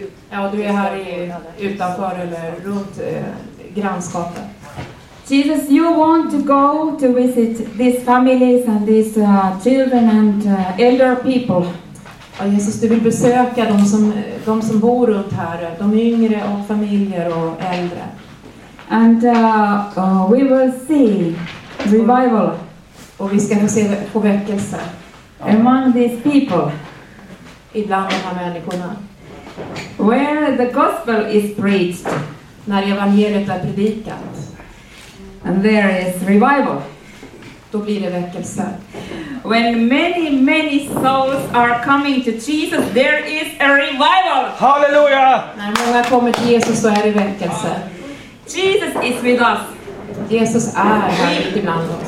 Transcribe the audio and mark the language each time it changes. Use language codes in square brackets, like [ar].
[sv] Ja, du är här utanför eller runt grannskapet. [en] Jesus, you want to go to visit these families and these children and elder people. [sv] Ja, Jesus, du vill besöka de som bor runt här, de yngre och familjer och äldre. [en] And we will see revival. [sv] Och vi ska nu se på väckelse. [en] Among these people. [sv] Ibland de här människorna. [en] Where the gospel is preached. [sv] När evangeliet är predikat. [en] And there is revival. [sv] Då blir det väckelse. [en] When many, many souls are coming to Jesus, there is a revival. Hallelujah. [sv] När många kommer till Jesus så är det väckelse. [en] Jesus is with us. [sv] Jesus är mitt ibland oss.